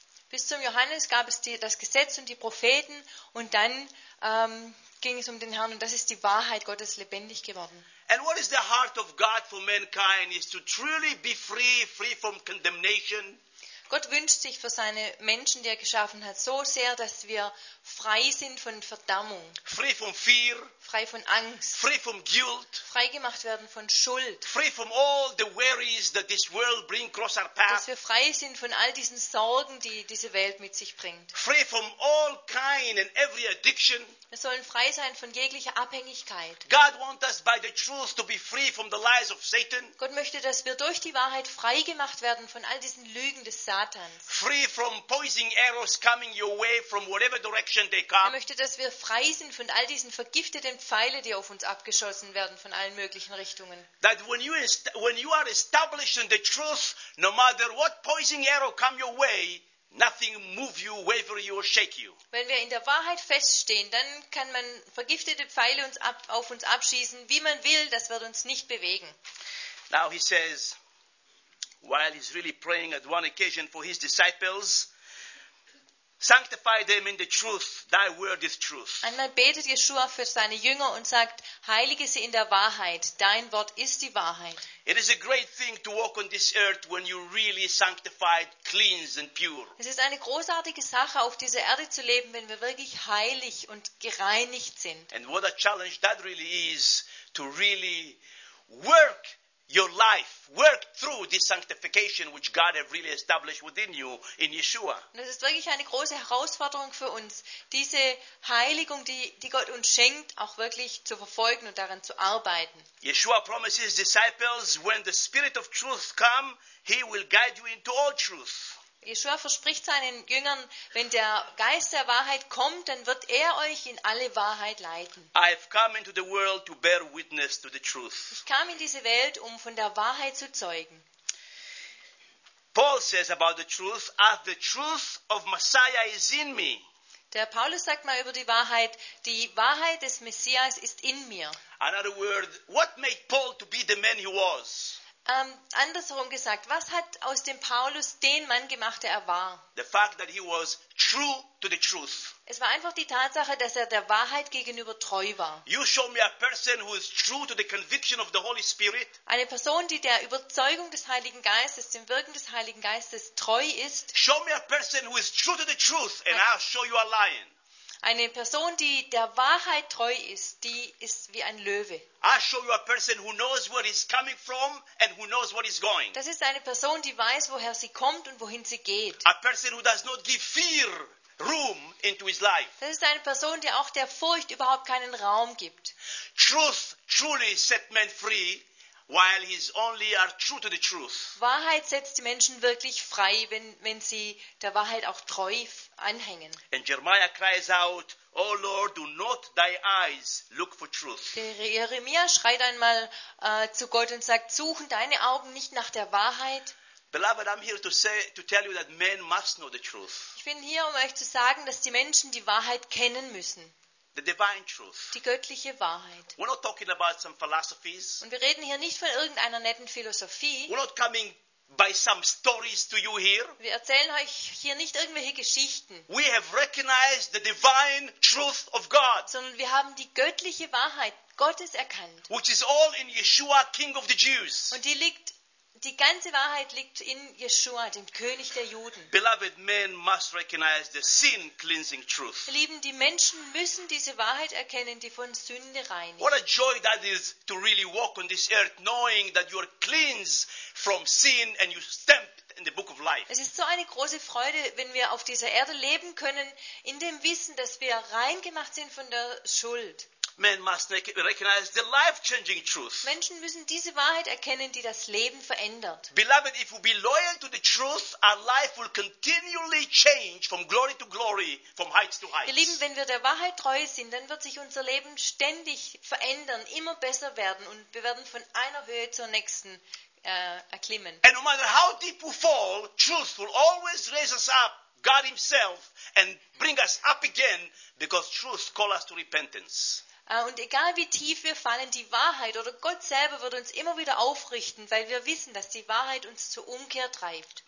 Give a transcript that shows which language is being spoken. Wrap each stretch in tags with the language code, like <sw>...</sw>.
<de>Bis zum Johannes gab es das Gesetz und die Propheten, und dann ging es um den Herrn, und das ist die Wahrheit Gottes lebendig geworden.</de> <en>And what is the heart of God for mankind is to truly be free from condemnation.</en> <de>Gott wünscht sich für seine Menschen, die er geschaffen hat, so sehr, dass wir frei sind von Verdammung.</de> <en>Free from fear.</en> <de>Frei von Angst.</de> <en>Free from guilt.</en> <de>Freigemacht werden von Schuld.</de> <en>Free from all the worries that this world brings across our path.</en> <de>Dass wir frei sind von all diesen Sorgen, die diese Welt mit sich bringt.</de> <en>Free from all kind and every addiction.</en> <de>Wir sollen frei sein von jeglicher Abhängigkeit.</de> <en>God wants us by the truth to be free from the lies of Satan.</en> <de>Gott möchte, dass wir durch die Wahrheit freigemacht werden von all diesen Lügen des Satans.</de> <en>Free from poisoning arrows coming your way from whatever direction they come.</en> <de>Er möchte, dass wir frei sind von all diesen vergifteten Pfeilen, die auf uns abgeschossen werden von allen möglichen Richtungen.</de> <en>That when you are established in the truth, no matter what poisoning arrow come your way, nothing move you, waver you or shake you.</en> <de>Wenn wir in der Wahrheit feststehen, dann kann man vergiftete Pfeile auf uns abschießen, wie man will, das wird uns nicht bewegen.</de> <en>Now he says, while he's really praying at one occasion for his disciples, sanctify them in the truth, thy word is truth.</en> <de>Einmal betet Yeshua für seine Jünger und sagt, heilige sie in der Wahrheit, dein Wort ist die Wahrheit.</de> <en>It is a great thing to walk on this earth when you really sanctified, cleansed and pure.</en> <de>Es ist eine großartige Sache, auf dieser Erde zu leben, wenn wir wirklich heilig und gereinigt sind.</de> <en>And what a challenge that really is, to really work your life work through this sanctification which God has really established within you in Yeshua.</en> <de>Das ist wirklich eine große Herausforderung für uns, diese Heiligung, die Gott uns schenkt, auch wirklich zu verfolgen und daran zu arbeiten.</de> <en>Yeshua promises disciples, when the Spirit of truth come, he will guide you into all truth.</en> <de>Yeshua verspricht seinen Jüngern, wenn der Geist der Wahrheit kommt, dann wird er euch in alle Wahrheit leiten.</de> <en>I've come into the world to bear witness to the truth.</en> <de>Ich kam in diese Welt, um von der Wahrheit zu zeugen.</de> <en>Paul says about the truth, as the truth of Messiah is in me.</en> <de>Der Paulus sagt mal über die Wahrheit des Messias ist in mir.</de> <en>In other words, what made Paul to be the man he was?</en> <de>Andersherum gesagt, was hat aus dem Paulus den Mann gemacht, der er war?</de> <en>The fact that he was true to the truth.</en> <de>Es war einfach die Tatsache, dass er der Wahrheit gegenüber treu war.</de> <en>You show me a person who is true to the conviction of the Holy Spirit.</en> <de>Eine Person, die der Überzeugung des Heiligen Geistes, dem Wirken des Heiligen Geistes treu ist.</de> <en>Show me a person who is true to the truth and I'll show you a lion.</en> <de>Eine Person, die der Wahrheit treu ist, die ist wie ein Löwe.</de> <en>I show you a person who knows where he's coming from and who knows what he's going.</en> <de>Das ist eine Person, die weiß, woher sie kommt und wohin sie geht.</de> <en>A person who does not give fear room into his life.</en> <de>Das ist eine Person, die auch der Furcht überhaupt keinen Raum gibt.</de> <en>Truth truly set man free while he's only are true to the truth.</en> <de>Wahrheit setzt die Menschen wirklich frei, wenn sie der Wahrheit auch treu anhängen.</de> <en>And Jeremiah cries out, O Lord, do not thy eyes look for truth.</en> <de>Jeremia schreit einmal zu Gott und sagt, suchen deine Augen nicht nach der Wahrheit.</de> <en>Beloved, I'm here to tell you that men must know the truth.</en> <de>Ich bin hier, um euch zu sagen, dass die Menschen die Wahrheit kennen müssen.</de> <en>The divine truth.</en> <de>Die göttliche Wahrheit.</de> <en>We're not talking about some philosophies.</en> <de>Und wir reden hier nicht von irgendeiner netten Philosophie.</de> <en>We're not coming by some stories to you here.</en> <de>Wir erzählen euch hier nicht irgendwelche Geschichten.</de> <en>We have recognized the divine truth of God.</en> <de>Sondern wir haben die göttliche Wahrheit Gottes erkannt.</de> <en>Which is all in Yeshua, King of the Jews.</en> <de>Und die ganze Wahrheit liegt in Yeshua, dem König der Juden.</de> <en>Beloved, men must recognize the sin-cleansing truth.</en> <de>Lieben, die Menschen müssen diese Wahrheit erkennen, die von Sünde reinigt.</de> <en>What a joy that is to really walk on this earth knowing that you are cleansed from sin and you stamp in the book of life.</en> <de>Es ist so eine große Freude, wenn wir auf dieser Erde leben können, in dem Wissen, dass wir rein gemacht sind von der Schuld.</de> <en>Men must recognize the life-changing truth.</en> <de>Menschen müssen diese Wahrheit erkennen, die das Leben verändert.</de> <en>Beloved, if we be loyal to the truth, our life will continually change from glory to glory, from heights to heights.</en> <de>Ihr Lieben, wenn wir der Wahrheit treu sind, dann wird sich unser Leben ständig verändern, immer besser werden und wir werden von einer Höhe zur nächsten erklimmen.</de> <en>And no matter how deep we fall, truth will always raise us up. God himself and bring us up again because truth calls us to repentance.</en> <de>Und egal wie tief wir fallen, die Wahrheit oder Gott selber wird uns immer wieder aufrichten, weil wir wissen, dass die Wahrheit uns zur Umkehr treibt.</de>